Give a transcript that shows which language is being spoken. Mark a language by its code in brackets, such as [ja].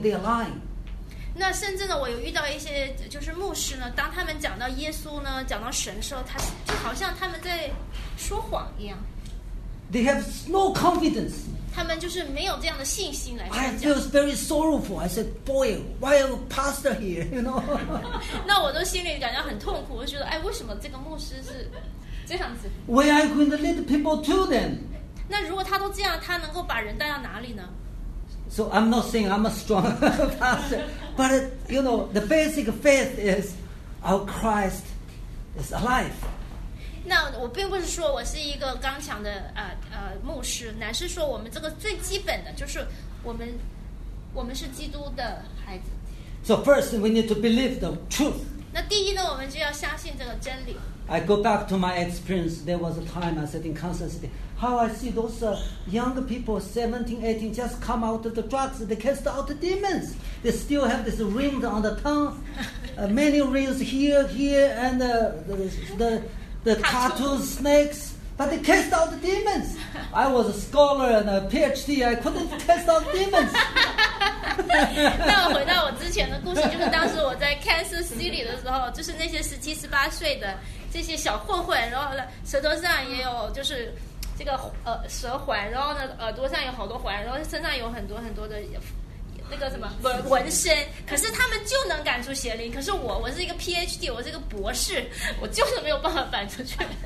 [en] They are lying. [zh] 那甚至呢，我有遇到一些就是牧师呢，当他们讲到耶稣呢，讲到神的时候，他就好像他们在说谎一样。 [en] They have no confidence. [zh] 他们就是没有这样的信心来传讲。 [en] I feel very sorrowful. I said, "Boy, why a pastor here?" You know. [zh] 那我都心里感到很痛苦。我觉得，哎，为什么这个牧师是这样子 [en] ？Where are you going to lead people to then? [zh] 那如果他都这样，他能够把人带到哪里呢 [en] ？So I'm not saying I'm a strong pastor, but you know, the basic faith is our Christ is alive. [zh] 那我并不是说我是一个刚强的牧师，乃是说我们这个最基本的就是我们是基督的孩子。 [en] So first we need to believe the truth. [zh] 那第一呢，我们就要相信这个真理。 [en] I go back to my experience. There was a time I sat in Kansas City. How I see those young people, 17, 18, just come out of the drugs. They cast out the demons. They still have this ring on the tongue. Many rings here, and the tattooed snakes, but they cast out the demons. I was a scholar and a PhD. I couldn't cast out demons. [zh] 那我回到我之前的故事，就是当时我在 Kansas City 的时候，就是那些十七、十八岁的这些小混混，然后呢，舌头上也有就是这个舌环，然后呢，耳朵上有好多环，然后身上有很多很多的那个什么纹身，可是他们就能赶出邪灵。可是我是一个 PhD， 我是一个博士，我就是没有办法赶出去。